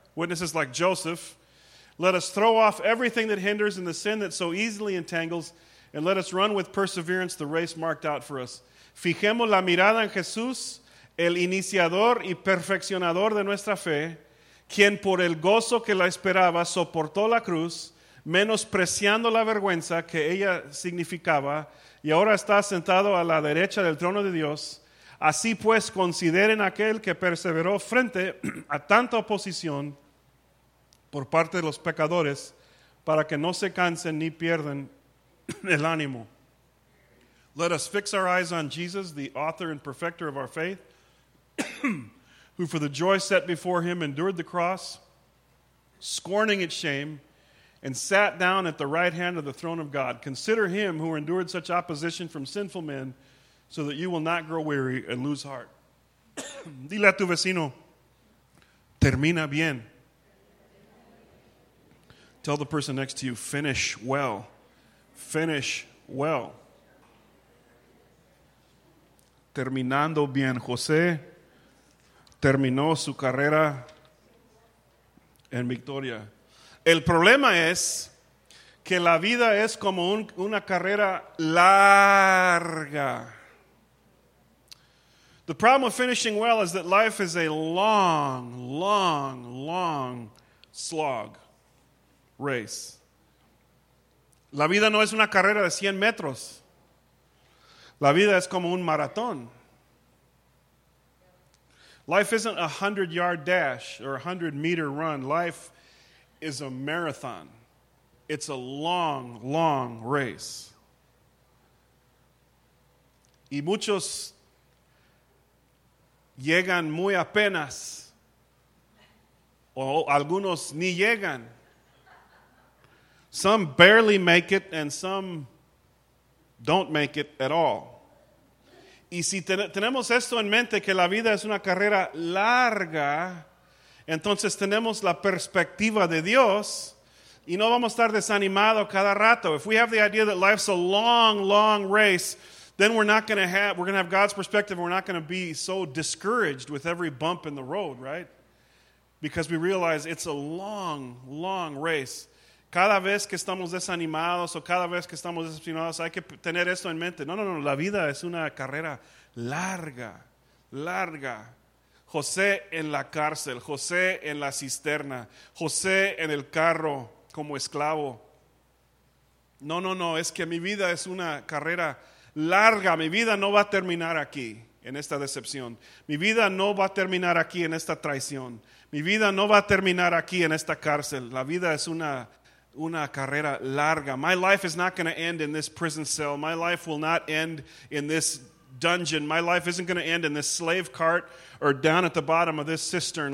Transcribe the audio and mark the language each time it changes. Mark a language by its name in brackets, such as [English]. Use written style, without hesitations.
[English] Witnesses like Joseph, let us throw off everything that hinders and the sin that so easily entangles, and let us run with perseverance the race marked out for us. [Spanish] Fijemos la mirada en Jesús, el iniciador y perfeccionador de nuestra fe, quien por el gozo que la esperaba soportó la cruz, menospreciando la vergüenza que ella significaba, y ahora está sentado a la derecha del trono de Dios. Así pues, consideren aquel que perseveró frente a tanta oposición por parte de los pecadores, para que no se cansen ni pierdan el ánimo. [English] Let us fix our eyes on Jesus, the author and perfecter of our faith, who for the joy set before him endured the cross, scorning its shame, and sat down at the right hand of the throne of God. Consider him who endured such opposition from sinful men, so that you will not grow weary and lose heart. [Spanish] Dile a tu vecino, termina bien. [English] Tell the person next to you, finish well. Finish well. [Spanish] Terminando bien, José terminó su carrera en victoria. El problema es que la vida es como una carrera larga. [English] The problem of finishing well is that life is a long, long, long slog race. [Spanish] La vida no es una carrera de 100 metros. La vida es como un maratón. [English] Life isn't a 100-yard dash or a 100-meter run. Life is a marathon. It's a long, long race. [Spanish] Y muchos llegan muy apenas. O algunos ni llegan. [English] Some barely make it and some don't make it at all. [Spanish] Y si tenemos esto en mente, que la vida es una carrera larga, entonces tenemos la perspectiva de Dios y no vamos a estar desanimados cada rato. [English] If we have the idea that life's a long, long race, then we're going to have God's perspective and we're not going to be so discouraged with every bump in the road, right? Because we realize it's a long, long race. [Spanish] Cada vez que estamos desanimados o cada vez que estamos desesperados, hay que tener esto en mente. No, la vida es una carrera larga, larga. José en la cárcel, José en la cisterna, José en el carro como esclavo. No, es que mi vida es una carrera larga. Mi vida no va a terminar aquí en esta decepción. Mi vida no va a terminar aquí en esta traición. Mi vida no va a terminar aquí en esta cárcel. La vida es una carrera larga. [English] My life is not going to end in this prison cell. My life will not end in this dungeon. My life isn't going to end in this slave cart or down at the bottom of this cistern.